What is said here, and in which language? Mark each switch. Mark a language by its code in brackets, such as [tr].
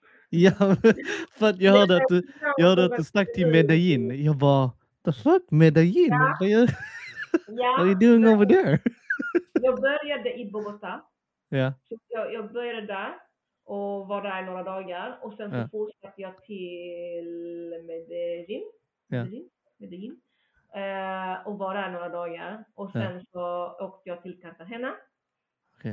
[sv] Ja, för jag hörde att du snackade till Medellin. Jag bara, [en] the fuck, [sv] Medellin? Ja. [en] What are you doing over there? [sv] Jag började i Bogotá. Ja. Jag började där och var där några dagar. Och sen så fortsatte jag till Medellin. Ja. Medellin. Och var där några dagar. Och sen så åkte jag till Cartagena. Okay.